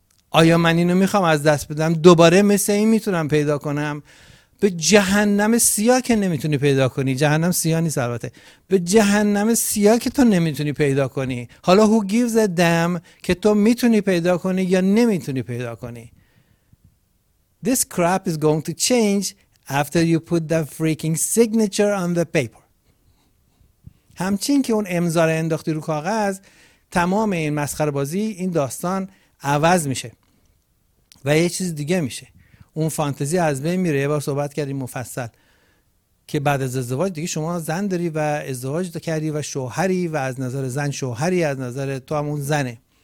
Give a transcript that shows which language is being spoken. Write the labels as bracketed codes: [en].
[fa] آیا من اینو میخوام از دست بدم؟ دوباره مثل این میتونم پیدا کنم؟ به جهنم سیاه که نمیتونی پیدا کنی. جهنم سیاه نیست البته، به جهنم سیاه که تو نمیتونی پیدا کنی. حالا [en] who gives a damn [fa] که تو میتونی پیدا کنی یا نمیتونی پیدا کنی. [en] This crap is going to change after you put the freaking signature on the paper. [fa] همچنین که اون امضا رو انداختی رو کاغذ، تمام این مسخره بازی، این داستان عوض میشه و یه چیز دیگه میشه. اون فانتزی از بین میره. یه بار صحبت کردیم مفصل که بعد از ازدواج دیگه شما زن داری و ازدواج کردی و شوهری و از نظر زن شوهری، از نظر تو هم اون زنه.